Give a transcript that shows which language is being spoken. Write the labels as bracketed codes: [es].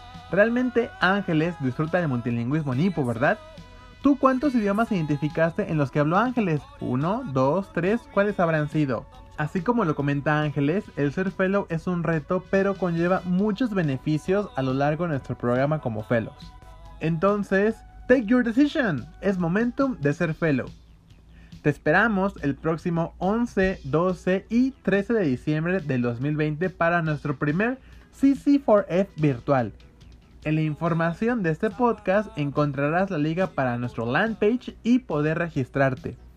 [es] Realmente Angeles disfruta del multilingüismo nipo, ¿verdad? ¿Tú cuántos idiomas identificaste en los que habló Ángeles? ¿1, 2, 3? ¿Cuáles habrán sido? Así como lo comenta Ángeles, el ser fellow es un reto, pero conlleva muchos beneficios a lo largo de nuestro programa como fellows. [en] Entonces, take your decision. [es] Es momento de ser fellow. Te esperamos el próximo 11, 12 y 13 de diciembre del 2020 para nuestro primer CC4F virtual. En la información de este podcast encontrarás la liga para nuestro land page y poder registrarte.